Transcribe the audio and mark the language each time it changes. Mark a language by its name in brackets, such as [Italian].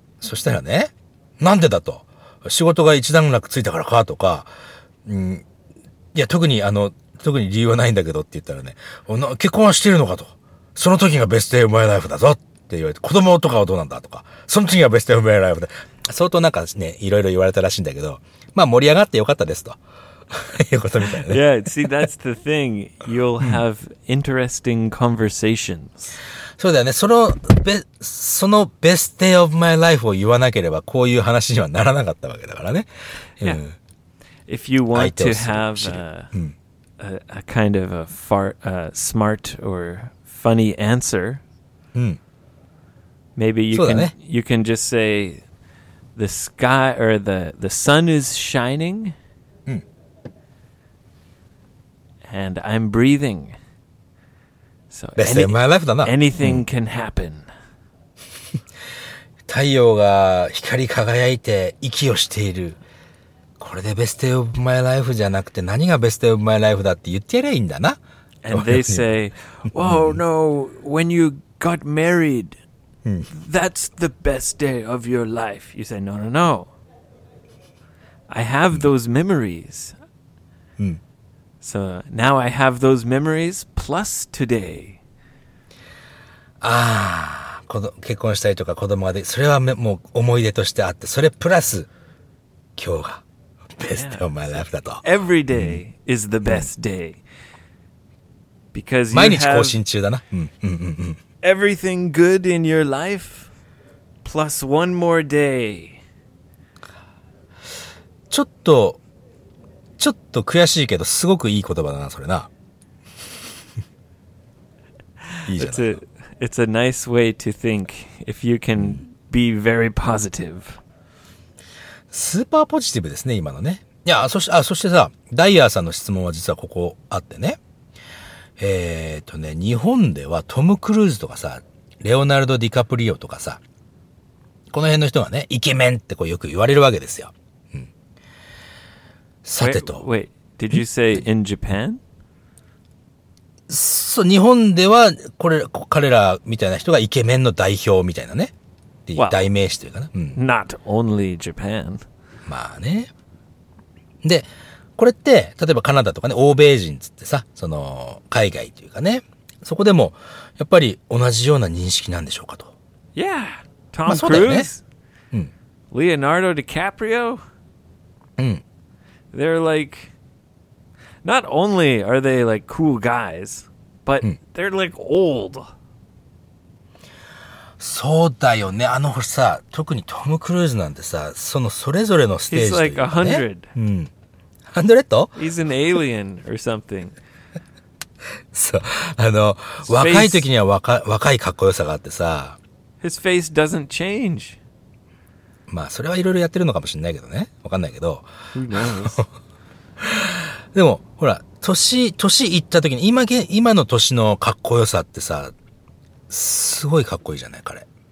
[Japanese] そしたらね、なんでだと。仕事が一段落ついたからかとか、いや、特に理由はないんだけどって言ったらね、結婚はしてるのかと。その時が [English] best day of my life [Japanese] だぞって言われて、子供とかはどうなんだとか、その時が best day of my life で、相当なんかね、いろいろ言われたらしいんだけど、まあ盛り上がってよかったですと。 [English] Yeah, see, that's the thing. You'll have interesting conversations. [Japanese] そうだよね。その [English] best day of my life [Japanese] を言わなければこういう話にはならなかったわけだからね。 [English] If you want to have a kind of a smart or funny answer, maybe you can just say the sky or the sun is shining. And I'm breathing. So best day of my life だな。 Anything can happen. [Japanese] 太陽が光り輝いて息をしている。これで [English] best day of my life [Japanese] じゃなくて何が best day of my life だって言ってやりゃいいんだな。 [English] And they say, oh no, when you got married, that's the best day of your life. You say, no, no, no. I have those memories. So now I have those memories plus today. [Japanese] ああ、結婚したりとか子供ができ、それはもう思い出としてあって、それプラス今日が [English] best day of my life [Japanese] だと。 [English] Every day is the best day. Because you [Japanese] 毎日更新中だな。 [English] Everything good in your life plus one more day. [Japanese] ちょっと悔しいけどすごくいい言葉だなそれな。いいじゃん。 [English] It's a nice way to think if you can be very positive. [Japanese] スーパーポジティブですね今のね。いや、そしてさ、ダイヤーさんの質問は実はここあってね。日本ではトム・クルーズとかさ、レオナルド・ディカプリオとかさ、この辺の人がね、イケメンってこうよく言われるわけですよ。うん、さてと。 [English] Wait, did you say in Japan? [Japanese] そう、日本では、これ、彼らみたいな人がイケメンの代表みたいなね。 Wow. 代名詞というかな。うん、 [English] Not only Japan. [Japanese] まあね。で、これって、例えばカナダとかね、欧米人つってさ、その、海外というかね、そこでも、やっぱり同じような認識なんでしょうかと。 [English] Yeah! Tom Cruise?、 [Japanese] うん、 [English] Leonardo DiCaprio?、 [Japanese] うん、 [English] they're like, not only are they like cool guys, but、うん、they're like old. [Japanese] そうだよね。あのほらさ、特にトム・クルーズなんてさ、そのそれぞれのステージという [English] かね。He's like 100.、 [Japanese] うん100? [English] He's an alien or something. [Japanese] そう。あの、若い時には若いかっこよさがあってさ。 [English] His face doesn't change. [Japanese] まあ、それはいろいろやってるのかもしれないけどね。わかんないけど。 [English] Who knows? [Japanese] でも、ほら、年いった時に、今の年のかっこよさってさ、すごいかっこいいじゃない、彼。